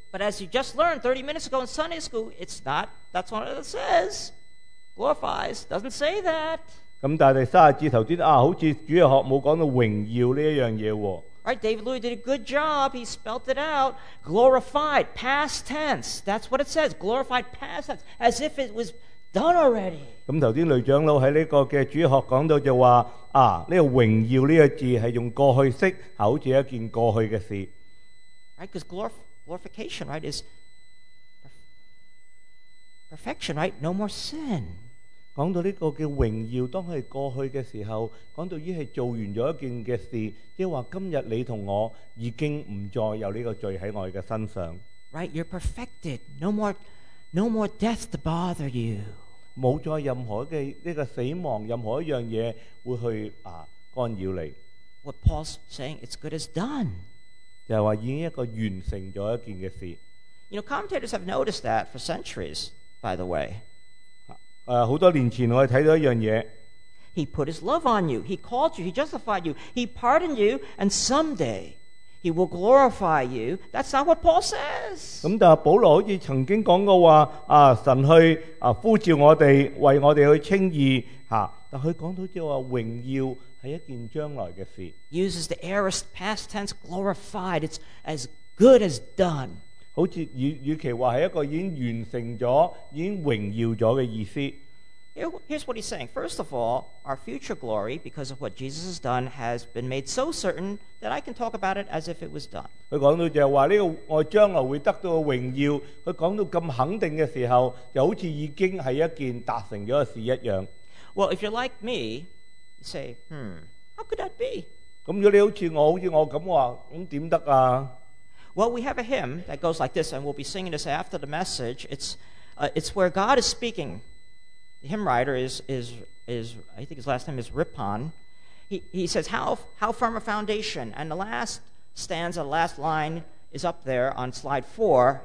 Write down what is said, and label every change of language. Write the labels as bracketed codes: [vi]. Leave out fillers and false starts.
[en] But as you just learned 30 minutes ago in Sunday school, it's not, that's what it says. Glorifies, doesn't say that. [zh] 但是30节头先，好似主日学没讲到荣耀这件事。 [en] Right, David Louis did a good job. He spelt it out. Glorified, past tense. That's what it says. Glorified, past tense. As if it was done already. [zh] 刚才雷长老在这个主日学讲到就说，这个荣耀这个字是用过去式，好像一件过去的事。 [en] Right, because glorification, right, is perfection, right? No more sin. [zh] 讲到这个荣耀，当是过去的时候，讲到已是做完了一件事，即是说今日你和我已经不再有这个罪在我们的身上。 [en] Right, you're perfected. No more death to bother you. [zh] 没再任何的这个死亡，任何一样东西会去干扰你。 [en] What Paul's saying, it's good as done. [zh] 就是说已经一个完成了一件的事。 [en] You know, commentators have noticed that for centuries, by the way. [zh] 很多年前我们看到一件事。 [en] He put his love on you. He called you. He justified you. He pardoned you. And someday, he will glorify you. That's not what Paul says. [zh] 但是保罗好像曾经讲过说，神去呼召我们，为我们去称义，但他讲到就说荣耀是一件将来的事。 [en] Uses the aorist past tense glorified. It's as good as done. [zh] 好像与其说是一个已经完成了，已经荣耀了的意思。 [en] Here's what he's saying. First of all, our future glory, because of what Jesus has done, has been made so certain that I can talk about it as if it was done. [zh] 他讲到就是说这个我将来会得到的荣耀，他讲到这么肯定的时候，就好像已经是一件达成了的事一样。 [en] Well, if you're like me, you say, how could that be? [zh] 如果你好像我这样说，那怎么行啊？ [en] Well, we have a hymn that goes like this, and we'll be singing this after the message. It's where God is speaking. The hymn writer is I think his last name is Rippon. He says, how firm a foundation. And the last stanza, the last line is up there on slide 4.